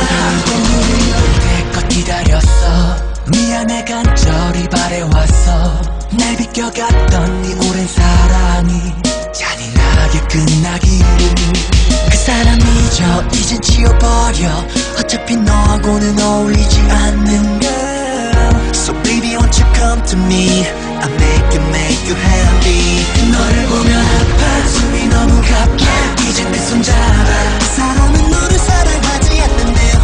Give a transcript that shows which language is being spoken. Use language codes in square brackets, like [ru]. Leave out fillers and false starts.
[ko] 한 번 우리 이때껏 기다렸어. 미안해 간절히 바래왔어. 날 비껴갔던 네 오랜 사랑이 잔인하게 끝나기를. 그 사람 잊어 이젠 지워버려. 어차피 너하고는 어울리지 않는데. [en] So baby won't you come to me. I'll make you make you happy. [ko] 너를 보면 아파. 숨이 너무 가파. Yeah. 이젠 내 손 잡아. 그 사람은 너를 사랑하지 않는데.